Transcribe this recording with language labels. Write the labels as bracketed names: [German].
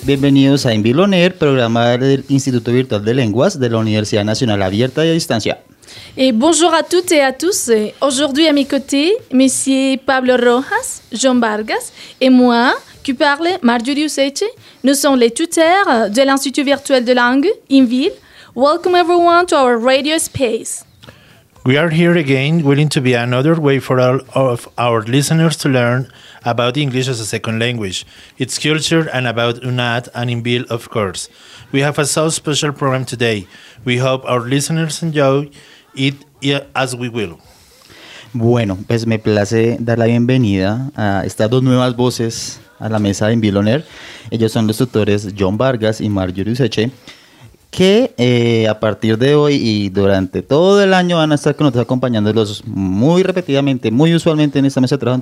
[Spanish] Bienvenidos a In Build On Air, programa del Instituto Virtual de Lenguas de la Universidad Nacional Abierta y a Distancia. [French] Et bonjour à toutes et à tous. Aujourd'hui, à mes côtés, Monsieur Pablo Rojas, Jean Vargas et moi, qui parle Marjorie Useche, nous sommes les tuteurs de l'Institut virtuel de langue, INVIL. [English] Welcome everyone to our radio space. We are here again, willing to be another way for all of our listeners to learn about English as a second language, its culture, and about UNAD and INVIL, of course. We have a so special program today. We hope our listeners enjoy it as we will. [Spanish] Bueno, pues me place dar la bienvenida a estas dos nuevas voces a la mesa de INVIL On Air. Ellos son los tutores John Vargas y Marjorie Useche, que a partir de hoy y durante todo el año van a estar con nosotros acompañándolos muy repetidamente, muy usualmente en esta mesa de trabajo.